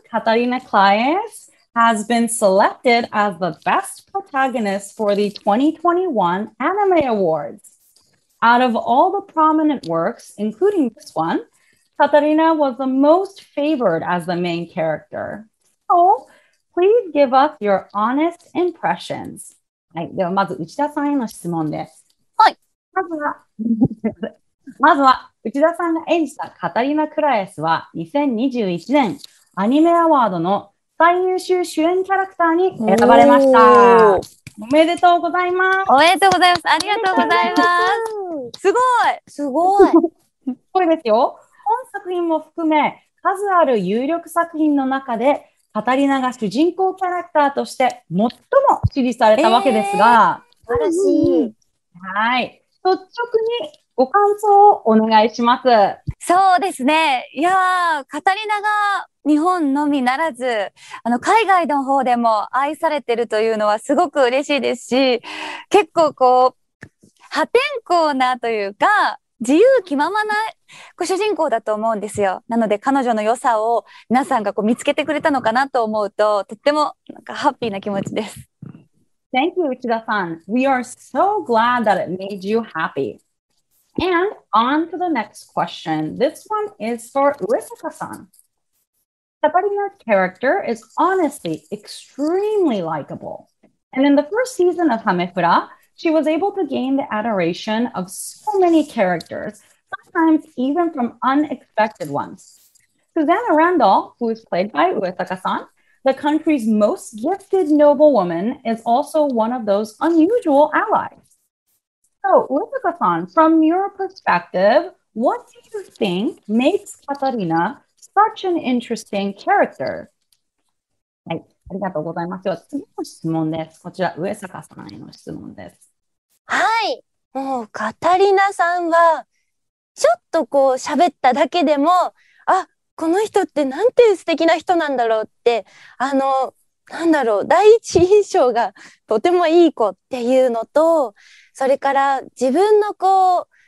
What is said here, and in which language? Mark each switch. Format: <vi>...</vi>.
<en>Katarina Klaes has been selected as the best protagonist for the 2021 Anime Awards. Out of all the prominent works, including this one, Katarina was the most favored as the main character. So, please give us your honest impressions.</en> <ja>はい、ではまず内田さんへの質問です。はい、まずはまずは内田さんが演じたカタリナ・クラエスは2021年アニメアワードの最優秀主演キャラクターに選ばれました。おめでとうございます。おめでとうございます。ありがとうございます。すごいすごいこれですよ。本作品も含め数ある有力作品の中でカタリナが主人公キャラクターとして最も支持されたわけですが、嬉しい。はい、率直にご感想をお願いします。そうですね、いやーカタリナが日本のみならず海外の方でも愛されてるというのはすごく嬉しいですし、結構こう破天荒なというか自由気ままな主人公だと思うんですよ。なので彼女の良さを皆さんがこう見つけてくれたのかなと思うと、とってもなんかハッピーな気持ちです。</ja> <en>Thank you 内田さん。 We are so glad that it made you happyAnd on to the next question. This one is for Urasaka-san. Katarina's character is honestly extremely likable. And in the first season of Hamefura, she was able to gain the adoration of so many characters, sometimes even from unexpected ones. Susanna Randall, who is played by Urasaka-san, the country's most gifted noblewoman, is also one of those unusual allies. So, Urasaka-san, from your perspective, what do you think makes Katarina such an interesting character?</en> <ja>はい、ありがとうございます。次の質問です。こちら、Urasaka-san への質問です。はい、もうカタリナさんは、ちょっとこう喋っただけでも、あ、この人ってなんて素敵な人なんだろうって、なんだろう、第一印象がとてもいい子っていうのと、それから自分のこう</ja>